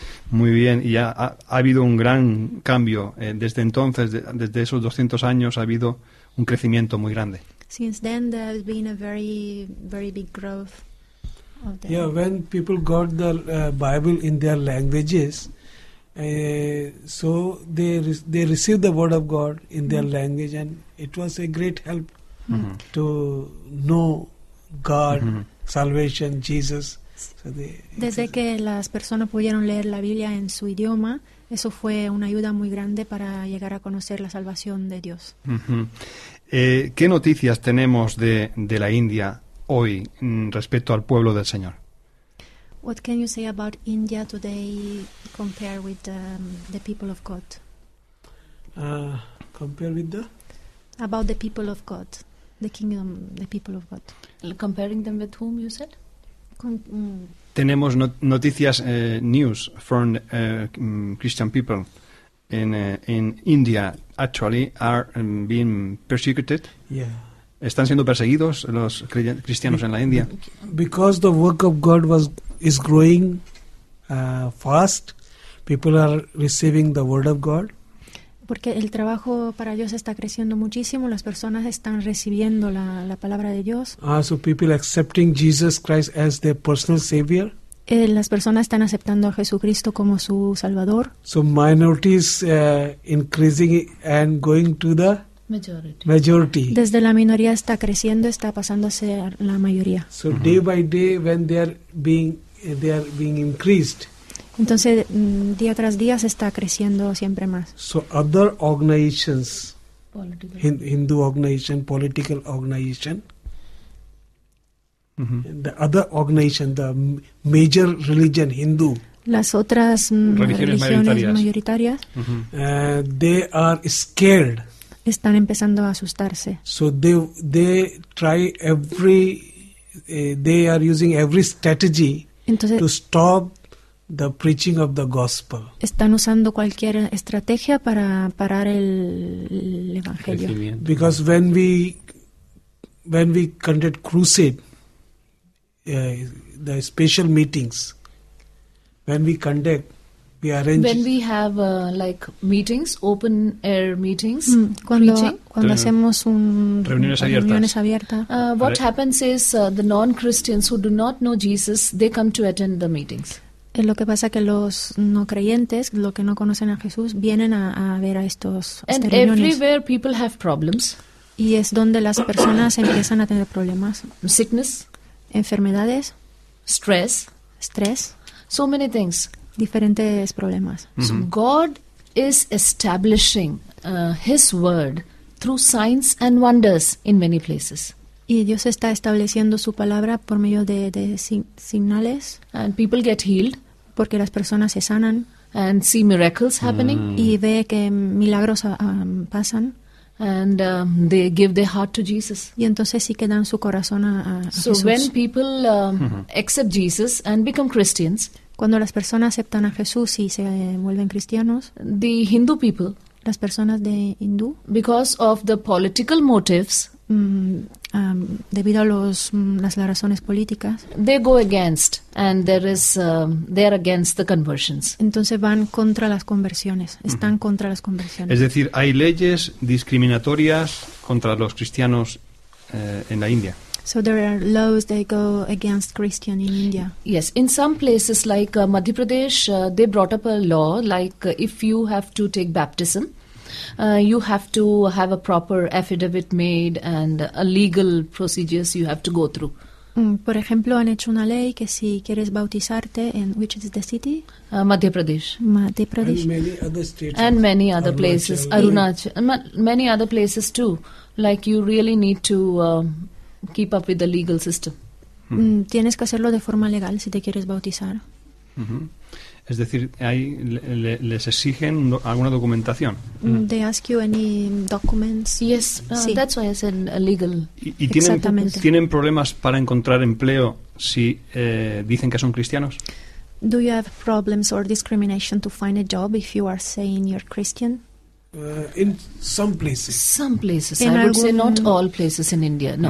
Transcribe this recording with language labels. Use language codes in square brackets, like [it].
[es] Muy bien, y ha habido un gran cambio desde entonces, desde esos 200 años ha habido un crecimiento muy grande. [en] Since then there has been a very very big growth of the When people got the Bible in their languages, so they received the word of God in their language and it was a great help to know God, salvation, Jesus. [es] Desde que las personas pudieron leer la Biblia en su idioma, eso fue una ayuda muy grande para llegar a conocer la salvación de Dios. ¿Qué noticias tenemos de la India hoy respecto al pueblo del Señor? [en] What can you say about India today compared with the people of God? Compared with the about the people of God, the kingdom, the people of God. Comparing them with whom you said? [es] Tenemos noticias [en] news from Christian people in India actually are being persecuted. Yeah. [es] Están siendo perseguidos los cristianos en la India. [en] Because the work of God is growing fast, people are receiving the word of God. [es] Porque el trabajo para Dios está creciendo muchísimo, las personas están recibiendo la palabra de Dios. [en] So people accepting Jesus Christ as their personal savior. [es] Las personas están aceptando a Jesucristo como su salvador. [en] So minorities increasing and going to the Majority. [es] Desde la minoría está creciendo, está pasando a ser la mayoría. [en] So mm-hmm. day by day, when they are being increased. [es] Entonces, día tras día se está creciendo siempre más. [en] So other organizations, Hindu organization, political organization, mm-hmm. the other organization, the major religion, Hindu. [es] Las otras religiones mayoritarias. [en] Mm-hmm. They are scared. [es] Están empezando a asustarse. [en] So they try every, they are using every strategy. [es] Entonces, [en] to stop the preaching of the gospel. [es] Están usando cualquier estrategia para parar el evangelio. [en] Because when we conduct crusade, the special meetings, when we have like meetings, open air meetings, [es] cuando hacemos reuniones abiertas, [en] what happens is the non-Christians who do not know Jesus, they come to attend the meetings. [es] Es lo que pasa que los no creyentes, los que no conocen a Jesús, vienen a ver a estos [en] reuniones. And everywhere people have problems. [es] Y es donde las personas empiezan a tener problemas. [en] Sickness. [es] Enfermedades. [en] Stress. [es] Estrés. [en] So many things. [es] Diferentes problemas. [en] Mm-hmm. So God is establishing His word through signs and wonders in many places. [es] Y Dios está estableciendo su palabra por medio de señales. [en] And people get healed. [es] Porque las personas se sanan. [en] And see miracles happening. [es] Y ve que milagros pasan. [en] And they give their heart to Jesus. [es] Y entonces sí que dan su corazón a Jesús. [en] So when people accept Jesus and become Christians. [es] Cuando las personas aceptan a Jesús y se vuelven cristianos. [en] The Hindu people. [es] Las personas de Hindú. [en] Because of the political motives. [es] Debido a las razones políticas, [en] they go against, and there is they are against the conversions. [es] Entonces van contra las conversiones, están uh-huh. contra las conversiones. Es decir, hay leyes discriminatorias contra los cristianos en la India. [en] So there are laws that go against Christian in India. Yes, in some places like Madhya Pradesh, they brought up a law like if you have to take baptism. You have to have a proper affidavit made and a legal procedures you have to go through. [es] Por ejemplo, han hecho una ley que si quieres bautizarte [en] in which is the city? Madhya Pradesh. And many other states. And many other places. Arunachal. Many other places too. Like you really need to keep up with the legal system. Hmm. [es] Tienes que hacerlo de forma legal si te quieres bautizar. Mm-hmm. Es decir, ahí les exigen alguna documentación. [en] They ask you any documents. Yes, sí. That's why it's illegal. [es] ¿Y tienen problemas para encontrar empleo si dicen que son cristianos? [en] Do you have problems or discrimination to find a job if you are saying you're Christian? In some places. Some places. En I would say not all places in India, no.